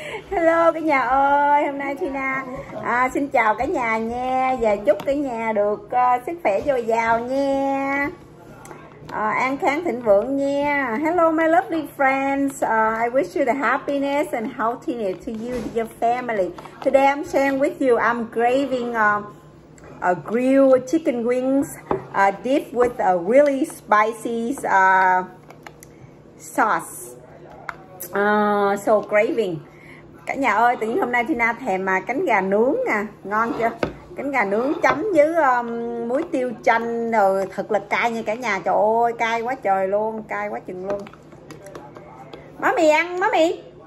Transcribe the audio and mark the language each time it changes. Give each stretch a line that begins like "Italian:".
Vietnamese: Hello cả nhà ơi, hôm nay Tina xin chào cả nhà nha, và chúc cả nhà được sức khỏe dồi dào nha, an khang thịnh vượng nha.
English: Hello my lovely friends, I wish you the happiness and healthiness to you and your family. Today I'm sharing with you, I'm craving a grilled chicken wings dipped with a really spicy sauce. So craving.
Vietnamese: Cả nhà ơi, tự nhiên hôm nay Tina thèm mà cánh gà nướng nè, ngon chưa? Cánh gà nướng chấm với muối tiêu chanh rồi thật là cay nha cả nhà. Trời ơi, cay quá trời luôn, cay quá chừng luôn. Má mì ăn, má mì.